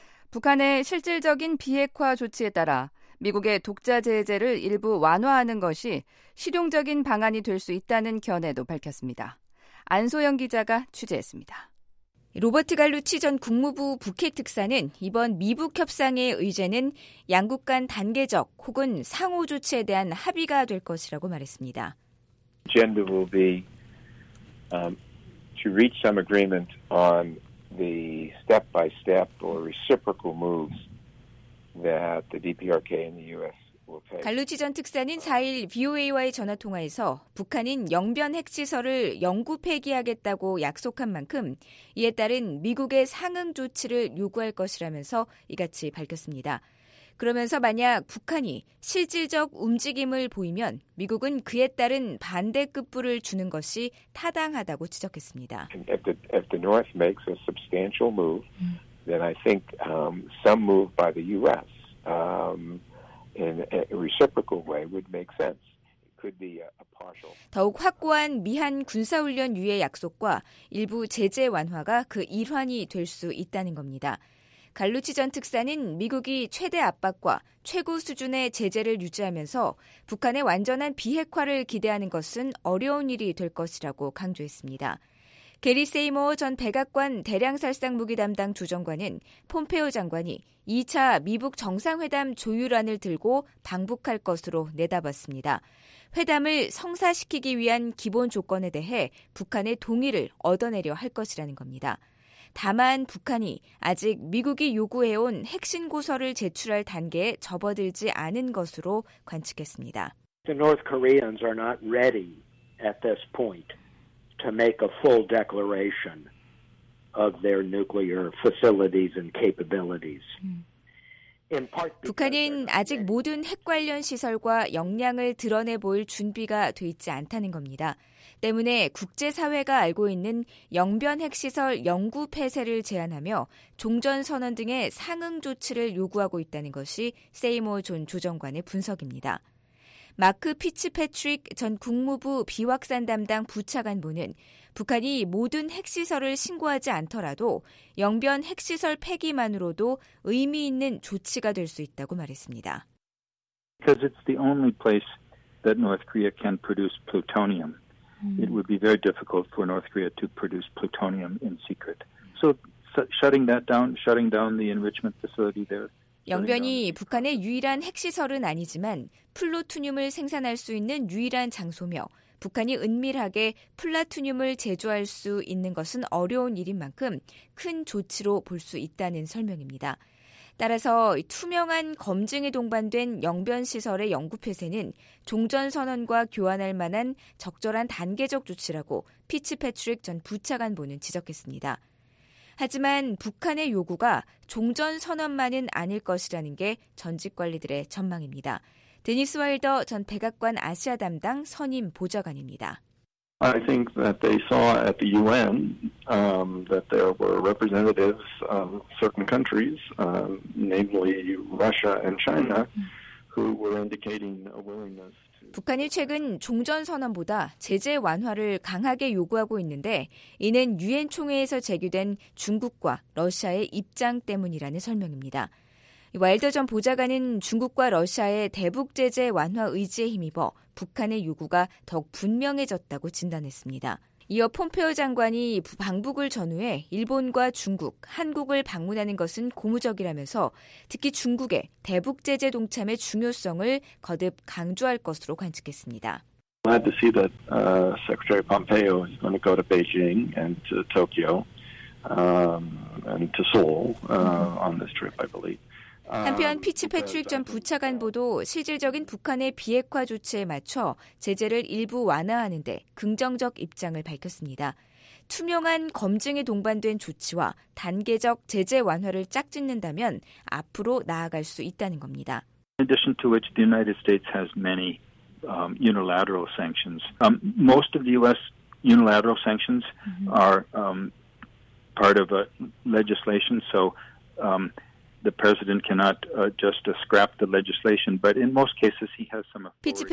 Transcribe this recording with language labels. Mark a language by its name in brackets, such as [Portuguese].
[Korean] 북한의 실질적인 비핵화 조치에 따라 미국의 독자 제재를 일부 완화하는 것이 실용적인 방안이 될 수 있다는 견해도 밝혔습니다. 안소영 기자가 취재했습니다. 로버트 갈루치 전 국무부 북핵 특사는 이번 미북 협상의 의제는 양국 간 단계적 혹은 상호 조치에 대한 합의가 될 것이라고 말했습니다. [English] Agenda will be to reach some agreement on the step-by-step or reciprocal moves that the DPRK and the U.S. [Korean] 갈루치 전 특사는 4일 VOA와의 전화통화에서 북한인 영변 핵시설을 영구 폐기하겠다고 약속한 만큼 이에 따른 미국의 상응 조치를 요구할 것이라면서 이같이 밝혔습니다. 그러면서 만약 북한이 실질적 움직임을 보이면 미국은 그에 따른 반대 급부를 주는 것이 타당하다고 지적했습니다. [English] If the North makes a substantial move, then I think some move by the U.S. In a reciprocal way would make sense. It could be a partial. [Korean] 더욱 확고한 미한 군사훈련 유예 약속과 일부 제재 완화가 그 일환이 될 수 있다는 겁니다. 갈루치 전 특사는 미국이 최대 압박과 최고 수준의 제재를 유지하면서 북한의 완전한 비핵화를 기대하는 것은 어려운 일이 될 것이라고 강조했습니다. 게리 세이머 전 백악관 대량살상무기 담당 조정관은 폼페오 장관이 2차 미북 정상회담 조율안을 들고 방북할 것으로 내다봤습니다. 회담을 성사시키기 위한 기본 조건에 대해 북한의 동의를 얻어내려 할 것이라는 겁니다. 다만 북한이 아직 미국이 요구해온 핵심 고서를 제출할 단계에 접어들지 않은 것으로 관측했습니다. [English] The North Koreans are not ready at this point. To make a full declaration of their nuclear facilities and capabilities. [Korean] 북한은 아직 모든 핵 관련 시설과 역량을 드러내 보일 준비가 돼 있지 않다는 겁니다. 때문에 국제 사회가 알고 있는 영변 핵 시설 영구 폐쇄를 제안하며 종전 선언 등의 상응 조치를 요구하고 있다는 것이 세이머 존 조정관의 분석입니다. 마크 피츠패트릭 전 국무부 비확산 담당 부차관보는 북한이 모든 핵시설을 신고하지 않더라도 영변 핵시설 폐기만으로도 의미 있는 조치가 될 수 있다고 말했습니다. [English] Because it's the only place that North Korea can produce plutonium. It would be very difficult for North Korea to produce plutonium in secret. So shutting down the enrichment facility there. [Korean] 영변이 북한의 유일한 핵시설은 아니지만 플루토늄을 생산할 수 있는 유일한 장소며 북한이 은밀하게 플루토늄을 제조할 수 있는 것은 어려운 일인 만큼 큰 조치로 볼 수 있다는 설명입니다. 따라서 투명한 검증이 동반된 영변 시설의 영구 폐쇄는 종전 선언과 교환할 만한 적절한 단계적 조치라고 피츠패트릭 전 부차관보는 지적했습니다. 하지만 북한의 요구가 종전 선언만은 아닐 것이라는 게 전직 관리들의 전망입니다. 데니스 와일더 전 백악관 아시아 담당 선임 보좌관입니다. [English] I think that they saw at the UN that there were representatives of certain countries, namely Russia and China, who were indicating a willingness. [Korean] 북한이 최근 종전선언보다 제재 완화를 강하게 요구하고 있는데 이는 유엔 총회에서 제기된 중국과 러시아의 입장 때문이라는 설명입니다. 와일더 전 보좌관은 중국과 러시아의 대북 제재 완화 의지에 힘입어 북한의 요구가 더욱 분명해졌다고 진단했습니다. 이어 폼페오 장관이 방북을 전후해 일본과 중국, 한국을 방문하는 것은 고무적이라면서 특히 중국의 대북 제재 동참의 중요성을 거듭 강조할 것으로 관측했습니다. [English] Glad to see that Secretary Pompeo is going to go to Beijing and to Tokyo and to Seoul on this trip, I believe. [Korean] 한편 피츠 패트릭 전 부차관보도 실질적인 북한의 비핵화 조치에 맞춰 제재를 일부 완화하는 데 긍정적 입장을 밝혔습니다. 투명한 검증이 동반된 조치와 단계적 제재 완화를 짝짓는다면 앞으로 나아갈 수 있다는 겁니다. [English] In addition to which, the United States has many unilateral sanctions. Most of the U.S. unilateral sanctions are part of a legislation, so the president cannot just scrap the legislation, but in most cases he has some authority.